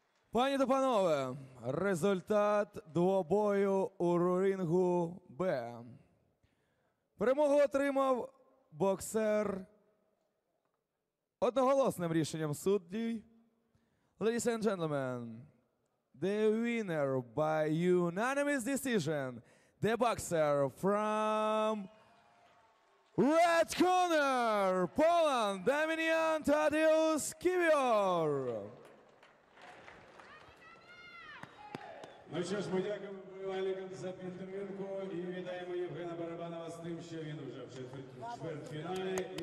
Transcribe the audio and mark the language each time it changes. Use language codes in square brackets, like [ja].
[uk] Пані та панове, результат двобою у рингу Б. Перемогу отримав боксер одноголосним рішенням суддів. [en] Ladies and gentlemen, the winner by unanimous decision, the boxer from Red Corner, Poland, Damian Tadeusz Kiwior. [uk] Ну що ж, ми дякуємо вболівальникам за підтримку і вітаємо Євгена Барабанова з тим, що він вже в четвертьфіналі.